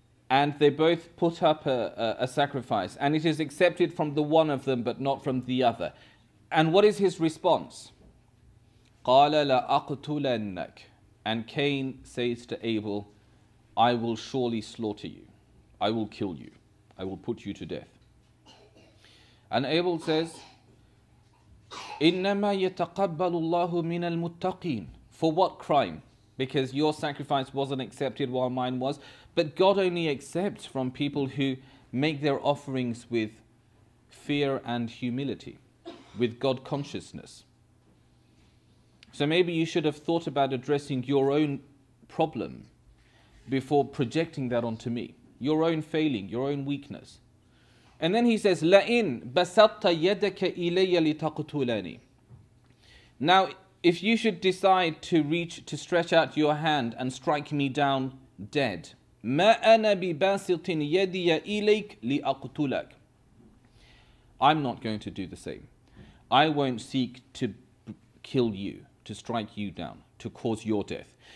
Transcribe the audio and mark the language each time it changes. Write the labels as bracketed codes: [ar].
[en] And they both put up a sacrifice, and it is accepted from the one of them, but not from the other. And what is his response? [ar] قَالَ لَأَقْتُلَنَّكَ. [en] And Cain says to Abel, I will surely slaughter you. I will kill you. I will put you to death. And Abel says, [ar] إِنَّمَا يَتَقَبَّلُ اللَّهُ مِنَ الْمُتَّقِينَ. [en] For what crime? Because your sacrifice wasn't accepted while mine was. But God only accepts from people who make their offerings with fear and humility, with God consciousness. So maybe you should have thought about addressing your own problem before projecting that onto me. Your own failing, your own weakness. And then he says, [ar] لَئِن بَسَطَّ يَدَكَ إِلَيَّ لِتَقْتُلَنِي. [en] Now, if you should decide to reach, to stretch out your hand and strike me down dead, [ar] مَا أَنَا بِبَاسِطٍ يَدِيَ إِلَيْكَ لِأَقْتُلَكَ. [en] I'm not going to do the same. I won't seek to kill you, to strike you down, to cause your death.